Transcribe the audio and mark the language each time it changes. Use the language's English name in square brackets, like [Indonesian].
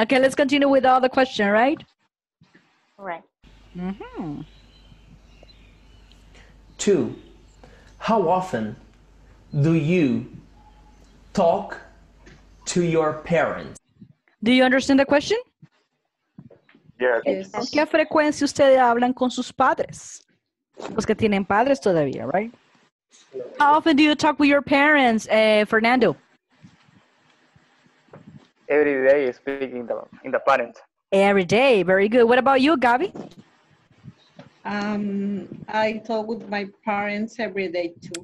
[English] Okay, let's continue with all the questions, right? Right. Mm-hmm. Two, how often do you talk to your parents? Do you understand the question? Yes. [Spanish] ¿Con qué frecuencia ustedes hablan con sus padres? Los que tienen padres todavía, right? [English] How often do you talk with your parents, Fernando? Every day speaking in the parents. Every day, very good. What about you, Gabby? I talk with my parents every day too.